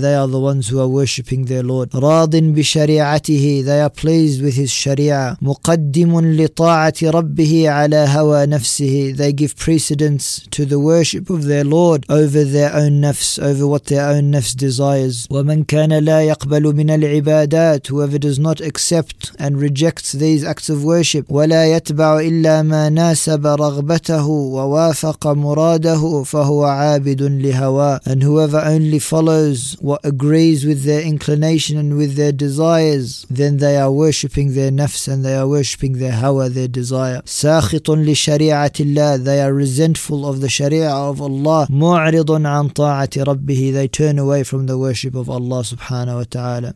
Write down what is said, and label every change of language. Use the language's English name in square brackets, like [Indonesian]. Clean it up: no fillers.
[English] They are the ones who are worshipping their Lord. [Arabic] رَاضٍ بِشَرِيعَتِهِ. [English] They are pleased with His sharia. [Arabic] مُقَدِّمٌ لِطَاعَةِ رَبِّهِ على هوى نفسه. [English] They give precedence to the worship of their Lord over their own nafs, over what their own nafs desires. [Arabic] ومن كان لا يقبل من العبادات. [English] Whoever does not accept and rejects these acts of worship. [Arabic] ولا يتبع إلا ما ناسب رغبته ووافق مراده فهو عابد لهوى. [English] And whoever only follows what agrees with their inclination and with their desires, then they are worshipping their nafs and they are worshipping their hawa, their desire. [Arabic] ساخط li shari'atillah, [English] they are resentful of the sharia of Allah, [Arabic] mu'ridun an ta'ati rabbihi, [English] they turn away from the worship of Allah subhanahu wa ta'ala.